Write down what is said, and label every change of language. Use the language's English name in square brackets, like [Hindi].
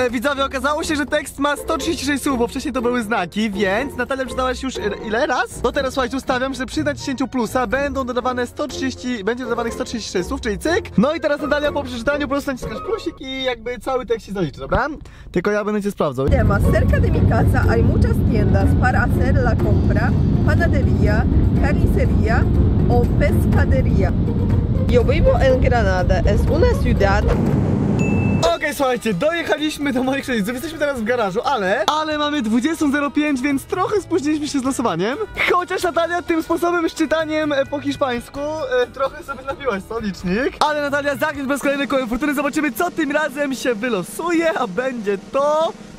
[Polish] Widzowie, okazało się, że tekst ma 136 słów, bo wcześniej to były znaki, więc Natalia, przydałaś już ile raz? No teraz, słuchajcie, ustawiam, że przy naciśnięciu plusa będzie dodawanych 136 słów, czyli cyk. No i teraz, Natalia, po przeczytaniu po prostu naciskasz plusik i jakby cały tekst się zaliczy, dobra? Tylko ja będę cię sprawdzał. [Spanish] Temas, cerca de mi casa hay muchas tiendas para hacer la compra, panadería, carnicería o pescadería. Yo vivo en Granada, es una ciudad... [Polish] Okej, słuchajcie, dojechaliśmy do moich rodziców, jesteśmy teraz w garażu, ale mamy 20.05, więc trochę spóźniliśmy się z losowaniem. Chociaż, Natalia, tym sposobem z czytaniem po hiszpańsku trochę sobie nabiłaś, co, licznik? Ale, Natalia, zagnieć bez kolejnej kołem fortuny, zobaczymy, co tym razem się wylosuje, a będzie to...